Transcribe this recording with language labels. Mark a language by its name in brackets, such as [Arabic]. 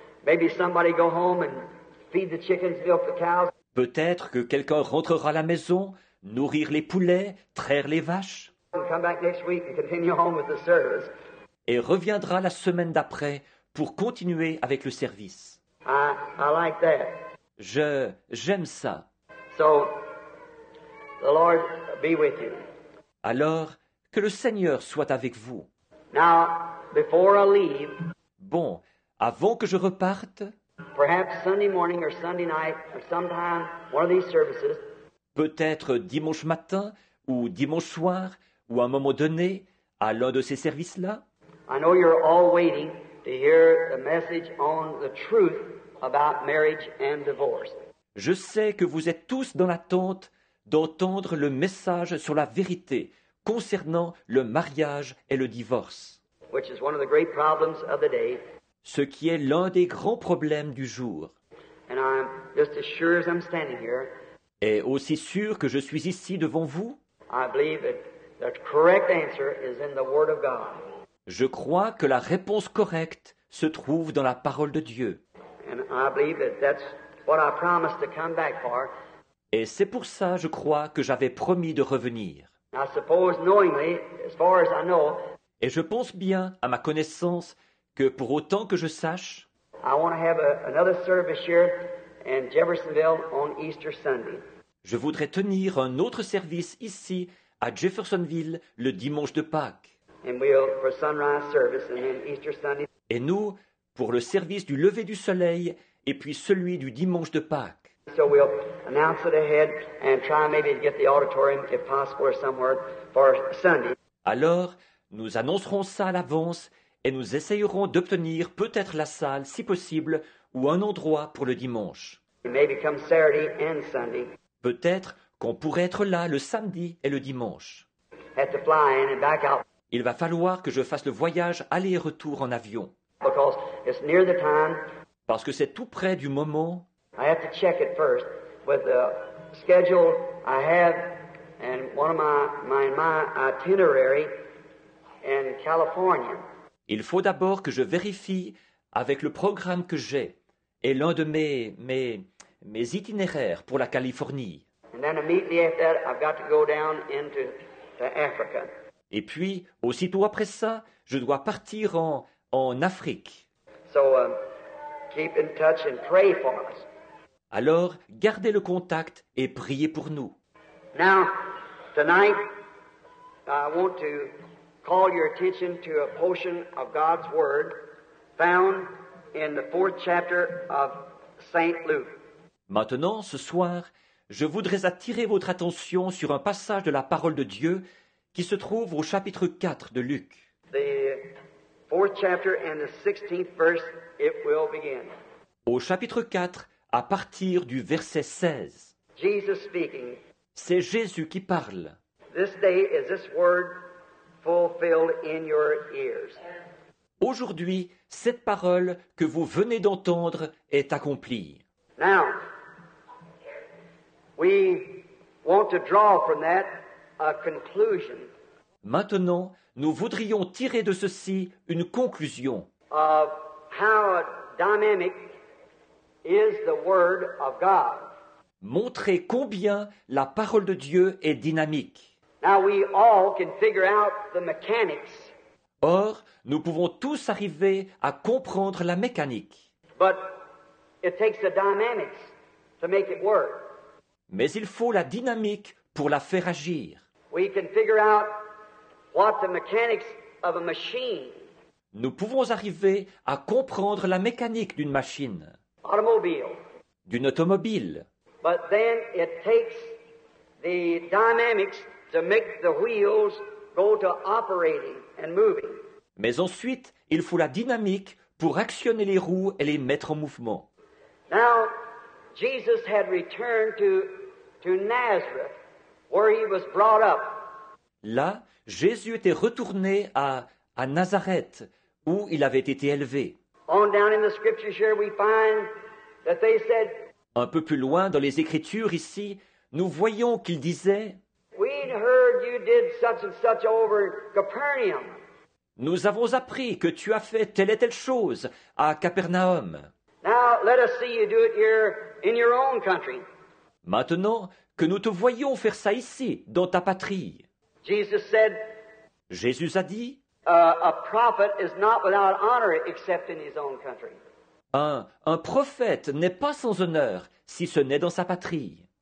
[English] Maybe somebody go home and feed the chickens, milk the cows. [French] Peut-être que quelqu'un rentrera à la maison, nourrir les poulets, traire les vaches. [English] And come back next week and continue on with the service. [French] Et reviendra la semaine d'après pour continuer avec le service. [English] I like that. [French] J'aime ça. [English] So, the Lord be with you. [French] Alors, que le Seigneur soit avec vous. [English] Now, before I leave, [French] bon, avant que je reparte, [English] perhaps Sunday morning or Sunday night or sometime one of these services, [French] peut-être dimanche matin ou dimanche soir ou à un moment donné à l'un de ces services-là, [English] I know you're all waiting to hear the message on the truth about marriage and divorce. [French] Je sais que vous êtes tous dans l'attente d'entendre le message sur la vérité concernant le mariage et le divorce. [English] Which is one of the great problems of the day. [French] Ce qui est l'un des grands problèmes du jour. [English] And I'm just as sure as I'm standing here. [French] Et aussi sûr que je suis ici devant vous. [English] I believe that the correct answer is in the Word of God. [French] Je crois que la réponse correcte se trouve dans la parole de Dieu. [English] And I believe that that's what I promised to come back for. [French] Et c'est pour ça, je crois, que j'avais promis de revenir. [English] I suppose knowingly, as far as I know. [French] Et je pense bien, à ma connaissance, que pour autant que je sache, [English] I want to have another service here in Jeffersonville on Easter Sunday. [French] Je voudrais tenir un autre service ici, à Jeffersonville, le dimanche de Pâques. [English] And we'll, for sunrise service and then Easter Sunday. [French] Et nous, pour le service du lever du soleil et puis celui du dimanche de Pâques. [English] So we'll announce it ahead and try maybe to get the auditorium, if possible, or somewhere for Sunday. [French] Alors, nous annoncerons ça à l'avance et nous essayerons d'obtenir peut-être la salle, si possible, ou un endroit pour le dimanche. [English] Maybe come Saturday and Sunday. [French] Peut-être qu'on pourrait être là le samedi et le dimanche. [English] Have to fly in and back out. [French] Il va falloir que je fasse le voyage aller-retour en avion. [English] Because it's near the time. [French] Parce que c'est tout près du moment. [English] I have to check it first with the schedule I have and one of my itinerary in California. [French] Il faut d'abord que je vérifie avec le programme que j'ai et l'un de mes itinéraires pour la Californie. [English] And then immediately after that, I've got to go down into Africa. [French] Et puis, aussitôt après ça, je dois partir en Afrique. [English] So, keep in touch and pray for us. [French] Alors, gardez le contact et priez pour nous. [English] Now, tonight, I want to call your attention to a portion of God's Word found in the fourth chapter of Saint Luke. [French] Maintenant, ce soir, je voudrais attirer votre attention sur un passage de la parole de Dieu qui se trouve au chapitre 4 de Luc. [English] The fourth chapter and the 16th verse, it will begin. [French] Au chapitre 4, à partir du verset 16. [English] Jesus speaking. [French] C'est Jésus qui parle. [English] This day is this word fulfilled in your ears. [French] Aujourd'hui, cette parole que vous venez d'entendre est accomplie. [English] Now, we want to draw from that a conclusion. [French] Maintenant, nous voudrions tirer de ceci une conclusion. [English] Of how dynamic is the word of God. [French] Montrer combien la parole de Dieu est dynamique. [English] Now we all can figure out the mechanics. [French] Or, nous pouvons tous arriver à comprendre la mécanique. [English] But it takes the dynamics to make it work. [French] Mais il faut la dynamique pour la faire agir. [English] We can figure out what the mechanics of a machine. [French] Nous pouvons arriver à comprendre la mécanique d'une machine. [English] Automobile. [French] D'une automobile. [English] But then it takes the dynamics to make the wheels go to operating and moving. [French] Mais ensuite, il faut la dynamique pour actionner les roues et les mettre en mouvement. [English] Now, Jesus had returned to Nazareth, where he was brought up. [French] Là, Jésus était retourné à Nazareth, où il avait été élevé. [English] On down in the scriptures here, we find that they said. [French] Un peu plus loin dans les Écritures ici, nous voyons qu'ils disaient. [English] We heard you did such and such over Capernaum. [French] Nous avons appris que tu as fait telle et telle chose à Capernaum. [English] Now let us see you do it here in your own country. [French] Maintenant que nous te voyons faire ça ici, dans ta patrie. [English] Jesus said. [French] Jésus a dit. [English] A prophet is not without honor except in his own country. [French] Un prophète n'est pas sans honneur si ce n'est dans sa patrie.